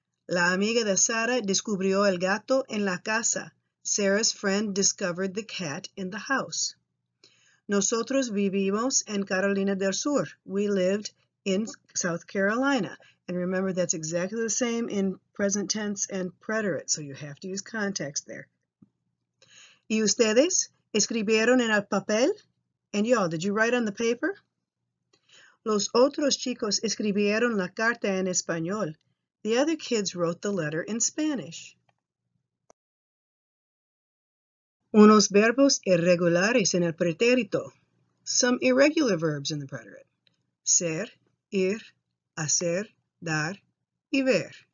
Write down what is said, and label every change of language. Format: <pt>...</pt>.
<es>La amiga de Sara descubrió el gato en la casa.</es> <en>Sarah's friend discovered the cat in the house.</en> <es>Nosotros vivimos en Carolina del Sur.</es> <en>We lived in South Carolina. And remember, that's exactly the same in present tense and preterite, so you have to use context there.</en> <es>¿Y ustedes escribieron en el papel?</es> <en>And y'all, did you write on the paper?</en> <es>Los otros chicos escribieron la carta en español.</es> <en>The other kids wrote the letter in Spanish.</en> <es>Unos verbos irregulares en el pretérito.</es> <en>Some irregular verbs in the preterite.</en> <es>Ser, ir, hacer, dar, y ver.</es>